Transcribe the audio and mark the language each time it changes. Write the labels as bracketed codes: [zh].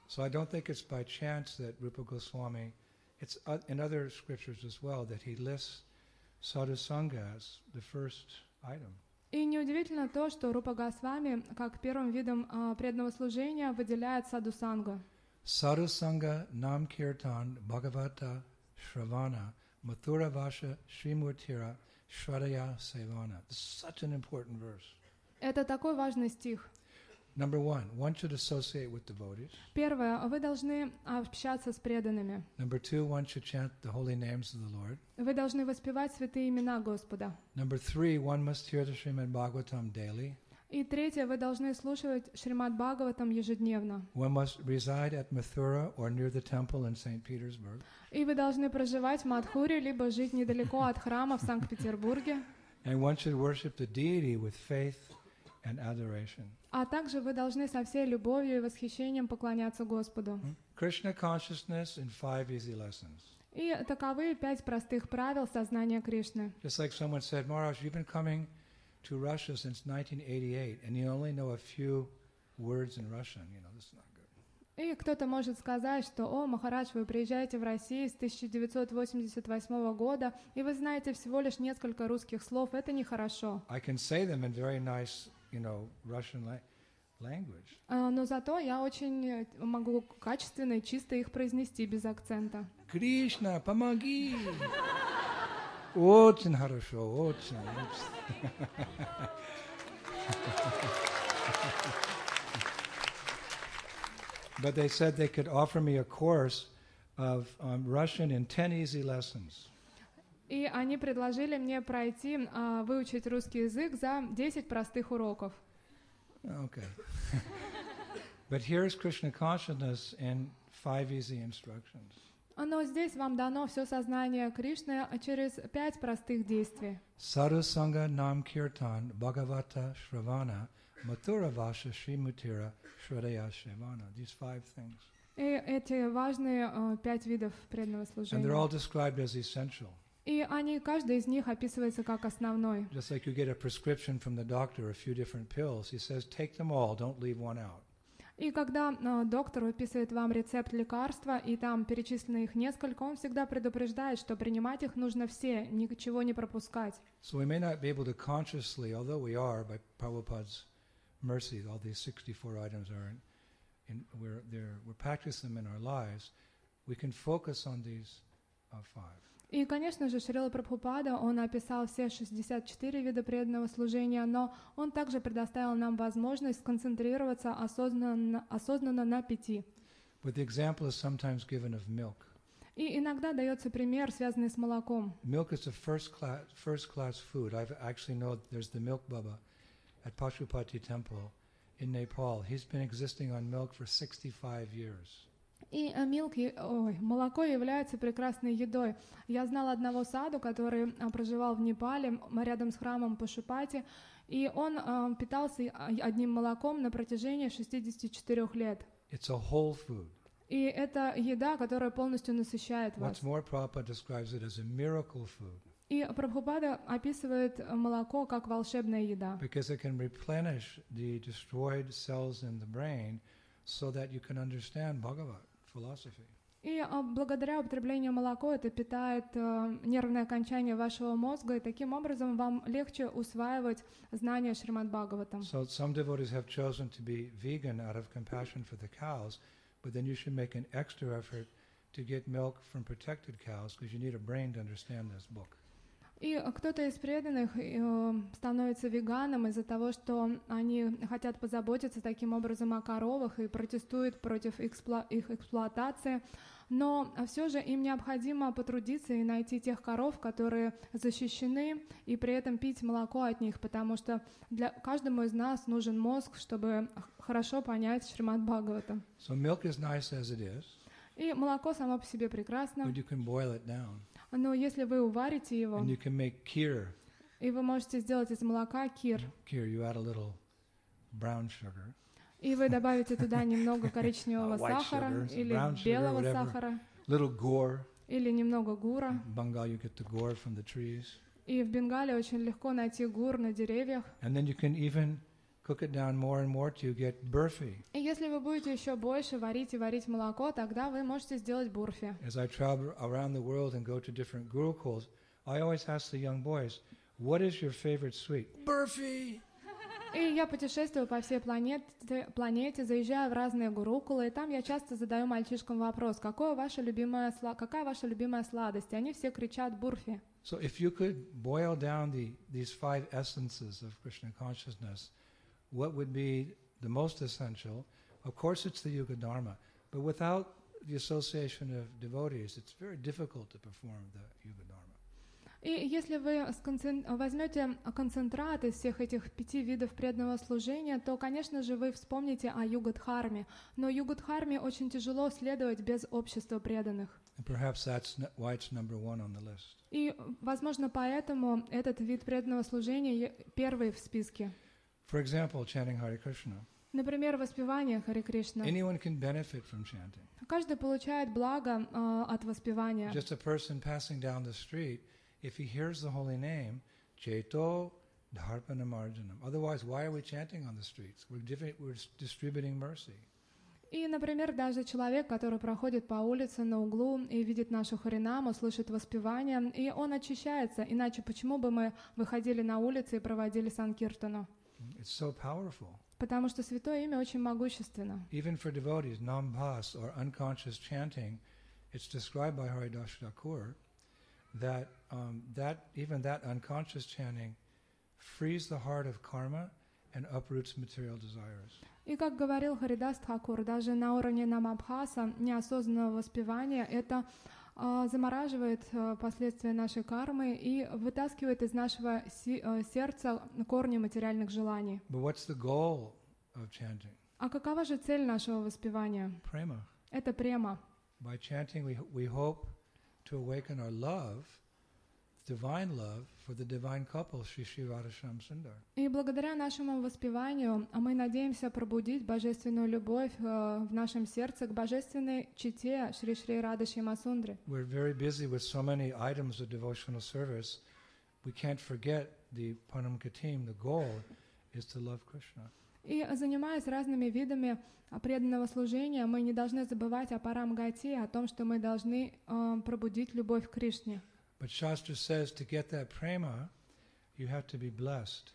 [en] So I don't think it's by chance that Rupa Goswami, it's in other scriptures as well, that he lists sadhu sangha as the first item. [ru] И неудивительно то, что Рупа Госвами как первым видом преданного служения выделяет sadhu sangha. [sa] Sadhu sangha nam kirtan bhagavata shravana mathura vasha shrimurtira shraya sevana. [en] Such an important verse. [ru] Это такой важный стих. [en] Number one, one should associate with devotees. [ru] Первое, вы должны общаться с преданными. [en] Number two, one should chant the holy names of the Lord. [ru] Вы должны воспевать святые имена Господа. [en] Number three, one must hear the Srimad Bhagavatam daily. [ru] И третье, вы должны слушать Шримад Бхагаватам ежедневно. [en] We must reside at Mathura or near the temple in St. Petersburg. [ru] И вы должны проживать в Мадхуре либо жить недалеко от храма в Санкт-Петербурге. [en] And one should worship the deity with faith and adoration. [ru] А также вы должны со всей любовью и восхищением поклоняться Господу. [en] Krishna consciousness in 5 easy lessons. [ru] И таковы 5 простых правил сознания Кришны. [en] Just like someone said, Maharaj, you've been coming to Russia since 1988 and you only know a few words in Russian, you know, this is not good. [ru] И кто-то может сказать, что: "О, Махарадж, вы приезжаете в Россию с 1988 года, и вы знаете всего лишь несколько русских слов. Это нехорошо." [en] I can say them in very nice, you know, Russian language. [ru] Но зато я очень могу качественно и чисто их произнести без акцента. Кришна, помоги! Очень хорошо, очень. [en] But they said they could offer me a course of Russian in 10 easy lessons. [ru] И они предложили мне пройти выучить русский язык за 10 простых уроков. [en] Okay. But here is Krishna consciousness in 5 easy instructions. [ru] Но здесь вам дано все сознание Кришны через 5 простых действий. [sa] Сарусанга нам киртан бхагавата шравана матура ваша шримутира шрадая шевана. [en] These 5 things. [ru] И эти важные 5 видов преданного служения. [en] And they're all described as essential. [ru] И они, каждый из них описывается как основной. [en] Just like you get a prescription from the doctor, a few different pills, he says, take them all, don't leave one out. [ru] И когда доктор выписывает вам рецепт лекарства, и там перечислено их несколько, он всегда предупреждает, что принимать их нужно все, ничего не пропускать. [en] So we may not be able to consciously, although we are, by Prabhupada's mercy, all these 64 items are in we're there, we're practicing them in our lives, we can focus on these five. [ru] И, конечно же, Шрила Прабхупада, он описал все 64 вида преданного служения, но он также предоставил нам возможность сконцентрироваться осознанно на пяти. [en] But the example is sometimes given of milk. [ru] И иногда дается пример, связанный с молоком. [en] Milk is a first class food. I actually know there's the milk Baba at Pashupati Temple in Nepal. He's been existing on milk for 65 years. [ru] И молоко является прекрасной едой. Я знал одного саду, который проживал в Непале, рядом с храмом Пашупати, и он питался одним молоком на протяжении 64 лет. [en] It's a whole food. [ru] И это еда, которая полностью насыщает [en] What's More, Prabhupada describes it as a miracle food. [ru] И Прабхупада описывает молоко как волшебная еда. [en] Because it can replenish the destroyed cells in the brain so that you can understand Bhagavad. [ru] И благодаря употреблению молока это питает нервное окончание вашего мозга, и таким образом вам легче усваивать знания Шримад-Бхагаватам. [en] So some devotees have chosen to be vegan out of compassion for the cows, but then you should make an extra effort to get milk from protected cows because you need a brain to understand this book. [ru] И кто-то из преданных становится веганом из-за того, что они хотят позаботиться таким образом о коровах и протестуют против их эксплуатации. Но все же им необходимо потрудиться и найти тех коров, которые защищены, и при этом пить молоко от них, потому что для каждому из нас нужен мозг, чтобы хорошо понять Шримад-Бхагаватам. [en] So milk is nice as it is. [ru] И молоко само по себе прекрасно. [en] But you can boil it down. [ru] Но если вы уварите его, [en] and you can make kheer. [ru] И вы можете сделать из молока кир. [en] Kheer, you add a little brown sugar. [ru] И вы добавите туда немного коричневого сахара или белого сахара. [en] Little gore. [ru] Или немного гура. [en] In Bengal, you get the gore from the trees. [ru] И в Бенгале очень легко найти гур на деревьях. [en] And then you can even cook it down more and more till you get burfi. [ru] И если вы будете еще больше варить и варить молоко, тогда вы можете сделать бурфи. [en] As I travel around the world and go to different gurukuls, I always ask the young boys, "What is your favorite sweet?" Burfi. [ru] И я путешествую по всей планете, заезжаю в разные гурукулы, и там я часто задаю мальчишкам вопрос: какая ваша любимая сладость? И они все кричат бурфи. [en] So if you could boil down these 5 essences of Krishna consciousness, what would be the most essential? Of course, it's the Yuga Dharma. But without the association of devotees, it's very difficult to perform the Yuga Dharma. [ru] И если вы возьмете концентрат из всех этих 5 видов преданного служения, то, конечно же, вы вспомните о Юга Дхарме. Но Юга Дхарме очень тяжело следовать без общества преданных. [en] And perhaps that's why it's number one on the list. [ru] И, возможно, поэтому этот вид преданного служения первый в списке. [en] For example, chanting Hare Krishna. [ru] Например, воспевание Харе Кришна. [en] Anyone can benefit from chanting. [ru] Каждый получает благо от воспевания. [en] Just a person passing down the street, if he hears the holy name, [sa] Cheto Dharpanam Arjanam. [en] Otherwise, why are we chanting on the streets? We're distributing mercy. [ru] И, например, даже человек, который проходит по улице на углу и видит нашу харинаму, слышит воспевание, и он очищается. Иначе почему бы мы выходили на улицы и проводили санкиртану? [en] It's so powerful. [ru] Потому что святое имя очень могущественно. [en] Even for devotees, nam bhas or unconscious chanting, it's described by Haridasa Thakur that that even that unconscious chanting frees the heart of karma and uproots material desires. [ru] И как говорил Харидас Тхакур, даже на уровне намабхаса, неосознанного воспевания, это замораживает последствия нашей кармы и вытаскивает из нашего сердца корни материальных желаний. [en] But what's the goal of chanting? [ru] А какова же цель нашего воспевания? Према. Это према. [en] By chanting we hope to awaken our love, divine love for the divine couple Shri Shiva Rasham Sundar. [ru] И благодаря нашему воспеванию мы надеемся пробудить божественную любовь в нашем сердце к божественной чите Шри Шри Рада Шьяма Сундры. [en] We're very busy with so many items of devotional service. We can't forget the Panamka team. The goal is to love Krishna. [ru] И занимаясь разными видами преданного служения, мы не должны забывать о Парамгати, о том, что мы должны пробудить любовь к Кришне. [en] But Shastra says to get that prema, you have to be blessed.